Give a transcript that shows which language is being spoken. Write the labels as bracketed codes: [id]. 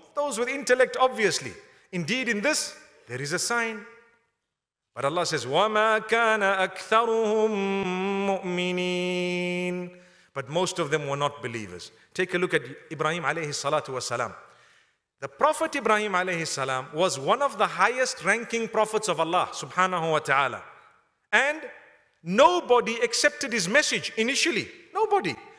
[en] Those with intellect, obviously. Indeed, in this, there is a sign. But Allah says, [ar] وَمَا كَانَ أَكْثَرُهُمْ مُؤْمِنِينَ. [en] But most of them were not believers. Take a look at Ibrahim alayhi salatu wasalam. The Prophet Ibrahim alayhi salam was one of the highest ranking prophets of Allah subhanahu wa ta'ala. And nobody accepted his message initially. Nobody.